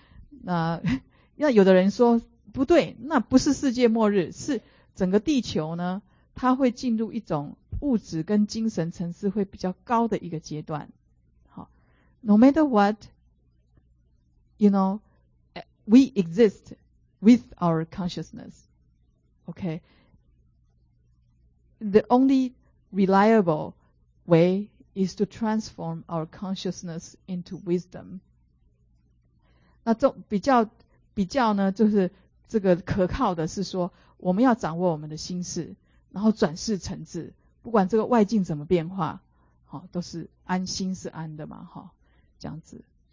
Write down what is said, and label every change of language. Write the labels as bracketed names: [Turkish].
[Chinese] 那有的人说。不对，那不是世界末日，是整个地球呢，它会进入一种物质跟精神层次会比较高的一个阶段。 [English] 好 ，No matter what, you know, we exist with our consciousness. Okay, the only reliable way is to transform our consciousness into wisdom. [Chinese] 那这比较呢，就是。这个可靠的是说我们要掌握我们的心事，然后转世成智，不管这个外境怎么变化，好，都是安心是安的嘛，好，这样子。